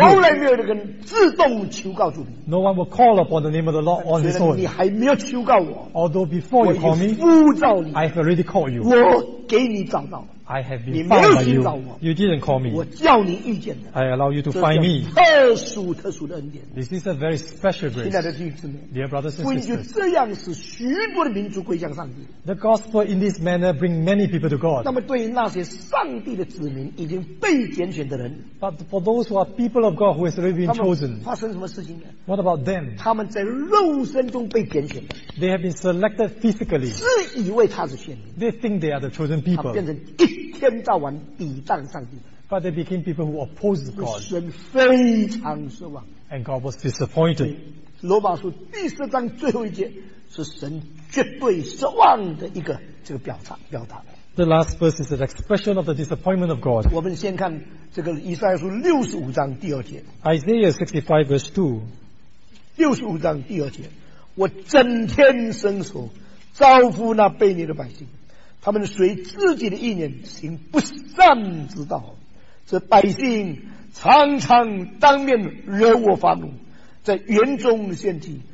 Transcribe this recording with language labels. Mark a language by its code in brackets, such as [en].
[zh] 从来没有人自动求告主 [en] ，No one will call upon the name of the Lord on his own。 [zh] 你还没有求告我 [en] ，Although before you call me， [zh] 呼召你 [en] ，I have already called you。 [zh] 我给你找到 [en] ，I have been found by you。 [zh] 你没有寻找我 [en] ，You didn't call me。 [zh] 我叫你遇见的 [en] ，I allow you to find me。 [zh] 特殊特殊的恩典 [en] ，This is a very special grace。 [zh] 亲爱的弟兄姊妹 [en] ，Dear brothers and sisters， [zh] 福音就这样使许多的民族归向上帝。 [en] The gospel in this manner bring many people to God. [zh] 那么对于那些上帝的子民已经被拣选的人 [en] ，But for those who are people of God who has already been chosen, [zh] 发生什么事情呢 [en] ？What about them? [zh] 他们在肉身中被拣选 [en] ，They have been selected physically. [zh] 自以为他是选民 [en] ，They think they are the chosen people. [zh] 他变成一天到晚抵挡上帝 [en] ，But they became people who opposed God. [zh] 神非常失望 [en] ，And God was disappointed. [zh] 罗马书第四章最后一节是神绝对失望的一个这个表达表达。 [en] The last verse is an expression of the disappointment of God. [zh] 我们先看这个以赛亚书六十五章第二节。 [en] Isaiah 65 verse 2。 [zh] 六十五章第二节，我整天伸手招呼那悖逆的百姓，他们随自己的意念行不善之道，这百姓常常当面惹我发怒，在园中献祭。